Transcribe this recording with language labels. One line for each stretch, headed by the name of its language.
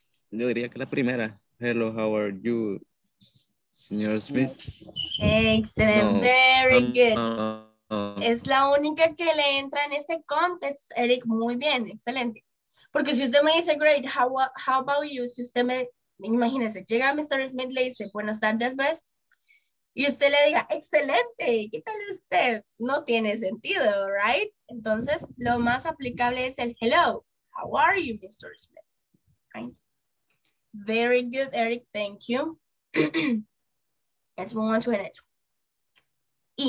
Spanish: Yo diría que la primera.
English: Hello, how are you,
Spanish: señor Smith?
English: Excellent, no. Very good.
Spanish: Es la única que le entra en ese context, Eric. Muy bien, excelente. Porque si usted me dice,
English: great, how about you?
Spanish: Si usted me, imagínese, llega Mr. Smith, le dice, buenas tardes, Beth. Y usted le diga, excelente, ¿qué tal usted? No tiene sentido,
English: right?
Spanish: Entonces, lo más aplicable es el
English: hello, how are you, Mr. Smith? Right? Very good, Eric, thank you. Let's move on to the next one.